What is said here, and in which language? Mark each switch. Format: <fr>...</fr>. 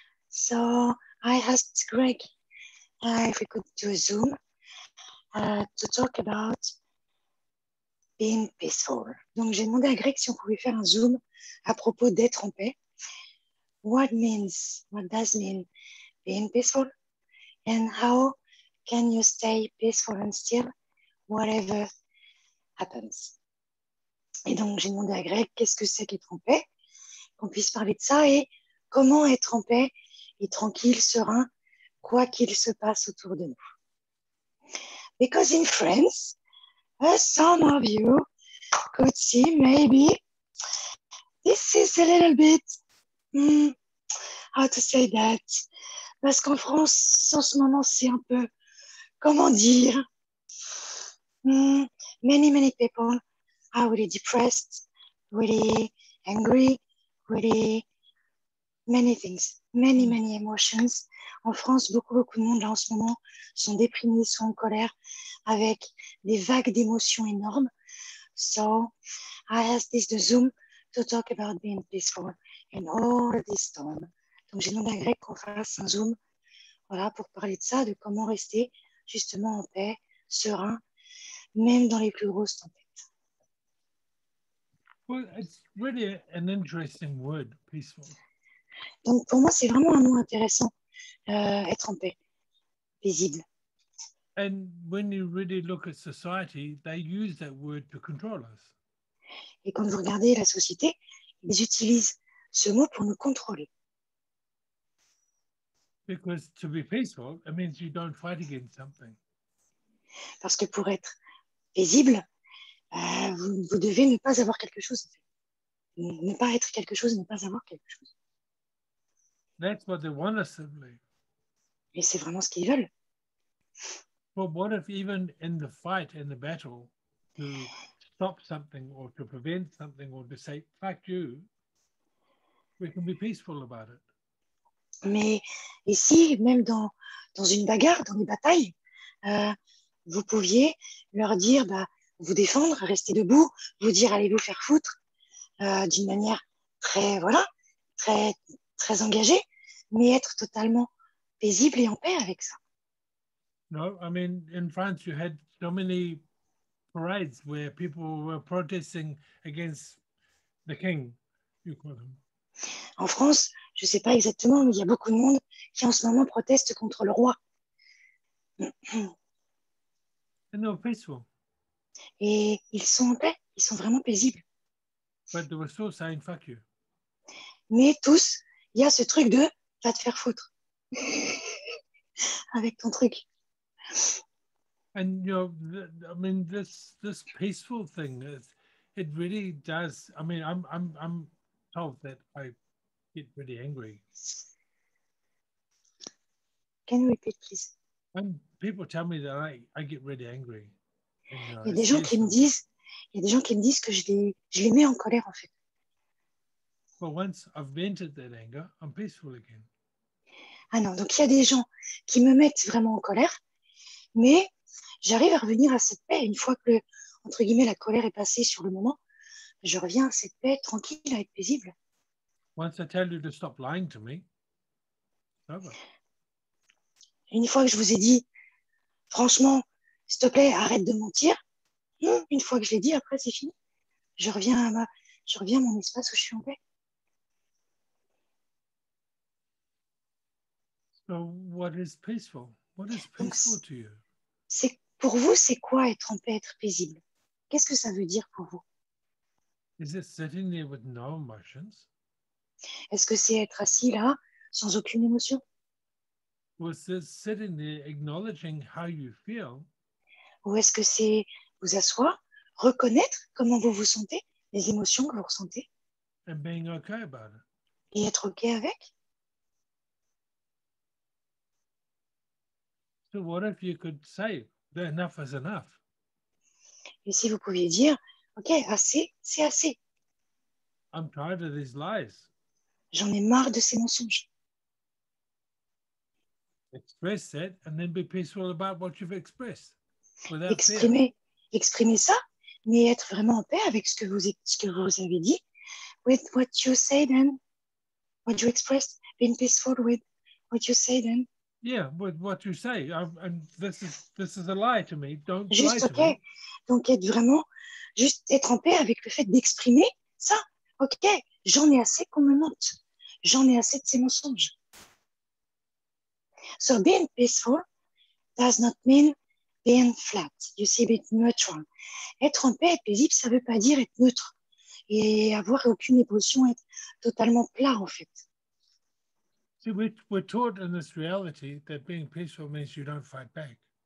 <en>So, I asked Greg if we could do a Zoom to talk about being peaceful.</en> <fr>Donc, j'ai demandé à Greg si on pouvait faire un Zoom à propos d'être en paix.</fr> <en>What does mean being peaceful? And how can you stay peaceful and still whatever happens?</en> <fr>Et donc, j'ai demandé à Greg, qu'est-ce que c'est qu'être en paix? Qu'on puisse parler de ça et comment être en paix et tranquille, serein, quoi qu'il se passe autour de nous.</fr> <en>Because in France, some of you could see maybe this is a little bit... how to say that?</en> <fr>Parce qu'en France, en ce moment, c'est un peu, comment dire,</fr> <en>many, many people are really depressed, really angry, really many things, many, many emotions.</en> <fr>En France, beaucoup, beaucoup de monde, là, en ce moment, sont déprimés, sont en colère, avec des vagues d'émotions énormes.</fr> <en>So, I asked this to Zoom to talk about being peaceful in all this storm.</en> <fr>Donc, j'ai demandé à Greg qu'on fasse un Zoom, voilà, pour parler de ça, de comment rester justement en paix, serein, même dans les plus grosses tempêtes.</fr> <en>Well, it's really an interesting word, peaceful.</en> <fr>Donc, pour moi, c'est vraiment un mot intéressant, être en paix, paisible.</fr> <en>And when you really look at society, they use that word to control us.</en> <fr>Et quand vous regardez la société, ils utilisent ce mot pour nous contrôler.</fr> <en>Because to be peaceful, it means you don't fight against something.</en> <fr>Parce que pour être paisible, vous devez ne pas avoir quelque chose. Ne pas être quelque chose, ne pas avoir quelque chose.</fr> <en>That's what they want us to believe.</en> <fr>Et c'est vraiment ce qu'ils veulent.</fr> <en>But what if even in the fight, in the battle, to stop something or to prevent something or to say, fuck you, we can be peaceful about it.</en> <fr>Mais ici, même dans une bagarre, dans des batailles, vous pouviez leur dire, vous défendre, rester debout, vous dire allez vous faire foutre, d'une manière très, voilà, très, très engagée, mais être totalement paisible et en paix avec ça.</fr> <en>No, I mean, in France, you had so many parades where people were protesting against the king, you call him.</en> <fr>En France, je ne sais pas exactement, mais il y a beaucoup de monde qui en ce moment proteste contre le roi.</fr> <en>And they're peaceful.</en> <fr>Et ils sont en paix, ils sont vraiment paisibles.</fr> <en>But they were still saying, fuck you.</en> <fr>Mais tous, il y a ce truc de va te faire foutre avec ton truc.</fr> <en>And you know, I mean, this peaceful thing, it really does. I mean, I'm told that I get really angry. Can you repeat, please? When people tell me that I get really angry.</en> <fr>Il y a des gens qui me disent, que je les mets en colère en fait.</fr> <en>Well, once I've vented that anger, I'm peaceful again.</en> <fr>Ah non, donc il y a des gens qui me mettent vraiment en colère, mais j'arrive à revenir à cette paix une fois que entre guillemets la colère est passée sur le moment, je reviens à cette paix tranquille, à être paisible.</fr> <en>Once I tell you to stop lying to me,</en> <fr>une fois que je vous ai dit, franchement, s'il te plaît, arrête de mentir, une fois que je l'ai dit, après c'est fini. Je reviens à mon espace où je suis en paix.</fr> <en>So what is peaceful? What is peaceful to you?</en> <fr>C'est pour vous, c'est quoi être en paix, être paisible? Qu'est-ce que ça veut dire pour vous?</fr> <en>Is it sitting there with no emotions?</en> <fr>Est-ce que c'est être assis là, sans aucune émotion? Ou est-ce que c'est vous asseoir, reconnaître comment vous vous sentez, les émotions que vous ressentez,</fr> <en>and being okay about it.</en> <fr>Et être OK avec?</fr> <en>So what if you could say that enough is enough?</en> <fr>Et si vous pouviez dire, OK, assez, c'est assez.</fr> <en>I'm tired of these lies.</en> <fr>J'en ai marre de ces mensonges.</fr> <en>Express that and then be peaceful about what you've expressed.</en> <fr>Exprimer ça, mais être vraiment en paix avec ce que vous avez dit.</fr> <en>With what you say then. What you express. Being peaceful with what you say then. Yeah, with what you say. And this is a lie to me. Don't lie</en> <fr>juste,</fr> <en>to okay. me.</en> <fr>Donc être vraiment, juste être en paix avec le fait d'exprimer ça. Ok, j'en ai assez qu'on me mente. J'en ai assez de ces mensonges.</fr> <en>So being peaceful does not mean being flat. You see, being neutral.</en> <fr>Être en paix, être paisible, ça ne veut pas dire être neutre. Et avoir aucune émotion, être totalement plat, en fait.</fr> <en>See, we're taught in this reality that being peaceful means you don't fight back.</en>